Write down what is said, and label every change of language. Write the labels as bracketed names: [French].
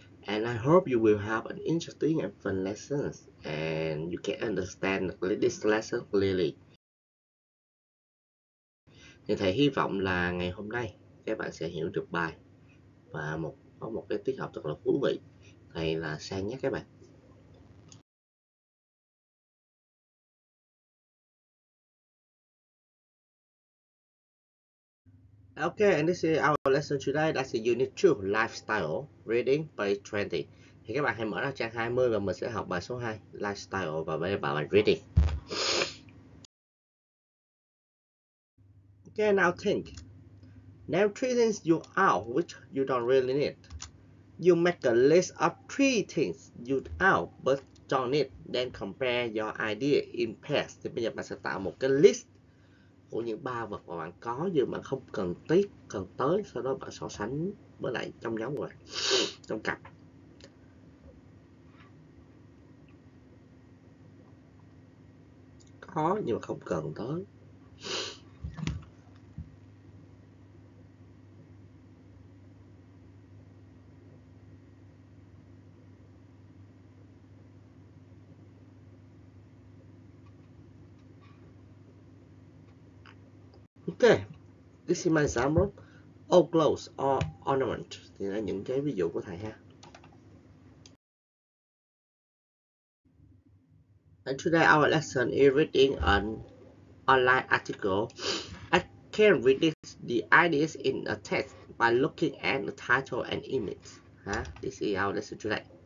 [English] And I hope you will have an interesting and fun lesson, and you can understand this lesson clearly. [Vietnamese] Thì thầy hy vọng là ngày hôm nay các bạn sẽ hiểu được bài và có một cái tiết học thật là thú vị. Thầy là Sam nhé các bạn. [English] Okay, and this is our lesson today. That's the unit 2, lifestyle, reading, page 20. [Vietnamese] Thì các bạn hãy mở ra trang 20 và mình sẽ học bài số 2, lifestyle và bài reading. [English] Okay, now think. Name three things you out which you don't really need. You make a list of three things you out but don't need. Then compare your idea in pairs. [Vietnamese] Thì bây giờ bạn sẽ tạo một cái list của những ba vật mà bạn có nhưng mà không cần tiết cần tới, sau đó bạn so sánh với lại trong nhóm của bạn, trong cặp. Có nhưng mà không cần tới. [English] Okay, this is my example. All clothes or ornaments. [Vietnamese] Thì là những cái ví dụ của thầy ha. [English] And today our lesson is reading an online article. I can read the ideas in a text by looking at the title and image. Ha? This is our lesson today.